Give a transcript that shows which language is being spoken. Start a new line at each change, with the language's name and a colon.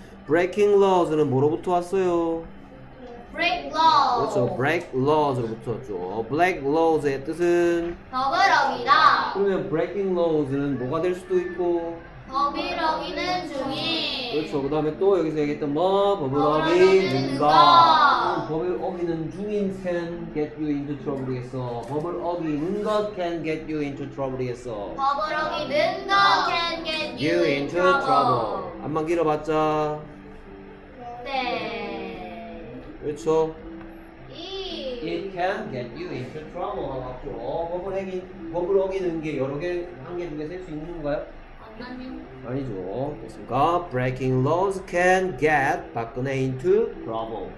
Korean: breaking laws는 뭐로부터 왔어요?
English: Break laws.
Korean: 그렇죠.
English: Break laws
Korean: 로부터 왔죠. Break laws의 뜻은 법을 어기다. 그러면 breaking laws는 뭐가 될 수도 있고 법을 어기는 중인. 그렇죠. 그 다음에 또 여기서 얘기했던 뭐 법을 어기는가. 법을 어기는 중인
English: can get you into trouble
Korean: 이겠어. 법을 어기는 것
English: can get you into trouble
Korean: 이겠어. 법을 어기는 것
English: can get you into trouble.
Korean: 한번 길어봤자. 네. 그렇죠.
English: It can get you into trouble.
Korean: 맞죠. 법을 어기 법을 어기는 게 여러 개 한 개 두 개 셀 수 있는 건가요? 아니요. 아니죠. 됐습니까?
English: Breaking laws can get
Korean: 박근혜
English: into trouble.